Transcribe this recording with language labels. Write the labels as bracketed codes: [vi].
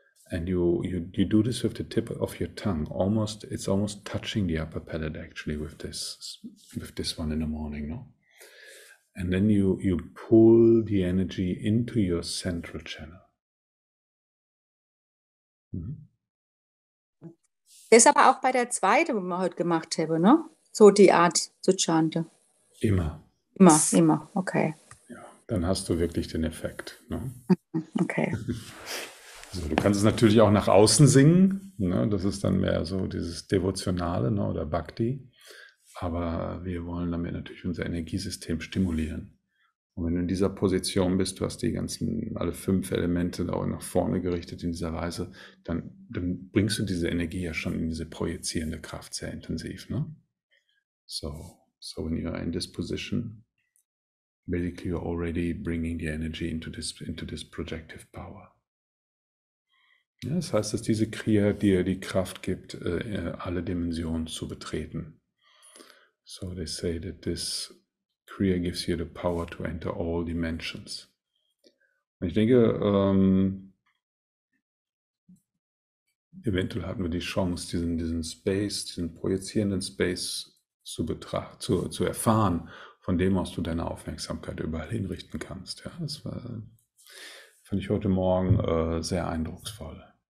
[en] And you do this with the tip of your tongue. Almost, it's almost touching the upper palate actually with this one in the morning, no? And then you pull the energy into your central channel. [de] Das aber auch bei der zweiten, die wir heute gemacht haben, ne? So die Art zu chanten. Immer, okay. Ja, dann hast du wirklich den Effekt, no? Okay. So, du kannst es natürlich auch nach außen singen, ne? Das ist dann mehr so dieses Devotionale, ne? Oder Bhakti. Aber wir wollen damit natürlich unser Energiesystem stimulieren. Und wenn du in dieser Position bist, du hast die ganzen, alle fünf Elemente auch nach vorne gerichtet in dieser Weise, dann bringst du diese Energie ja schon in diese projizierende Kraft sehr intensiv. Ne? [en] So when you are in this position, basically you're already bringing the energy into this projective power. [de] Ja, das heißt, dass diese Kriya dir die Kraft gibt, alle Dimensionen zu betreten. [en] So they say that this Kriya gives you the power to enter all dimensions. [de] Und ich denke, eventuell hatten wir die Chance, diesen Space, diesen projizierenden Space zu erfahren, von dem aus du deine Aufmerksamkeit überall hinrichten kannst. Ja, das fand ich heute Morgen sehr eindrucksvoll.